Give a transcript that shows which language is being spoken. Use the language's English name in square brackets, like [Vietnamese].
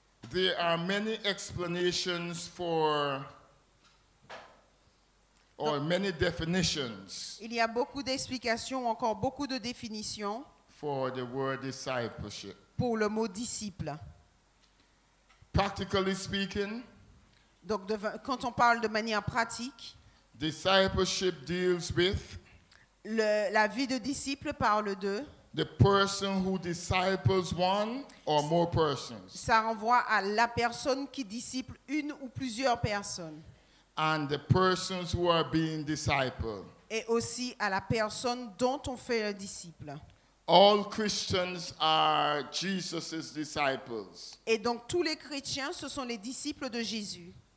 [English] There are many explanations for, or donc, many definitions. [French] Il y a beaucoup d'explications, encore beaucoup de définitions. [English] For the word discipleship. [French] Pour le mot disciple. [English] Practically speaking. [French] Donc, quand on parle de manière pratique. [English] Discipleship deals with. [French] La vie de disciple parle de. [English] The person who disciples one or more persons. [French] Ça renvoie à la personne qui disciple une ou plusieurs personnes. [English] And the persons who are being discipled. [French] Et aussi à la personne dont on fait un disciple. [English] All Christians are Jesus's disciples. [French] Et donc tous les chrétiens, ce sont les disciples de Jésus.